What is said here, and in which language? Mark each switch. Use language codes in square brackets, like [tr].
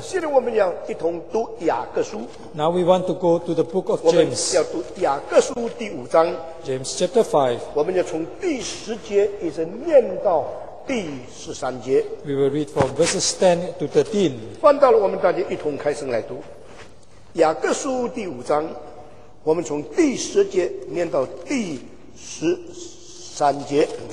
[zh] 现在我们要一同读雅各书。 [en] Now we want to go to the book of James. [zh] 我们要读雅各书第五章。 [en] James chapter 5. [zh] 我们要从第十节一直念到第十三节。 [en] We will read from verses 10 to 13. [zh] 翻到了，我们大家一同开声来读雅各书第五章。我们从第十节念到第十三节。